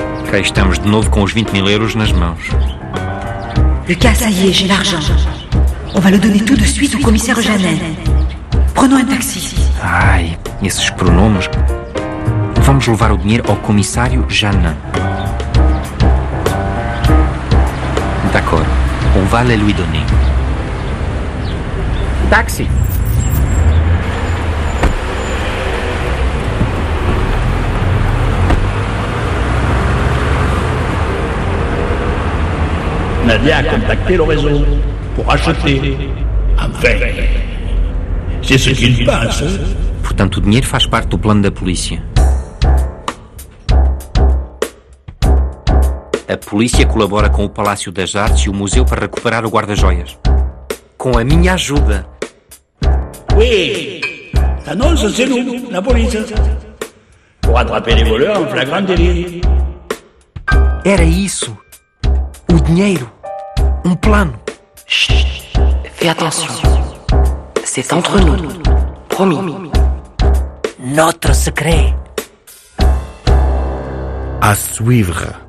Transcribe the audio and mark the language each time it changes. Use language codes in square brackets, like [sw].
[pt] Cá estamos de novo com os 20 mil euros nas mãos. [fr] Lucas, ça y est, j'ai l'argent. On va le donner tout de suite au commissaire Jeannin. Prenons un taxi. [pt] Ai, esses pronomes. Vamos levar o dinheiro ao comissário Jeannin. [fr] D'accord. On va le lui donner. Taxi. Nadia a contacté le réseau pour acheter. Enfin, c'est ce qu'il pense. [pt] Portanto, o dinheiro faz parte do plano da polícia. A polícia colabora com o Palácio das Artes e o museu para recuperar o guarda-joias. Com a minha ajuda. Oui, a nossa cena na polícia. [fr] Pour attraper les voleurs en flagrant délit. [pt] Era isso. O dinheiro. Um plano. Shhh. [fr] Fais attention. C'est entre nous. Promis. Notre secret. À suivre.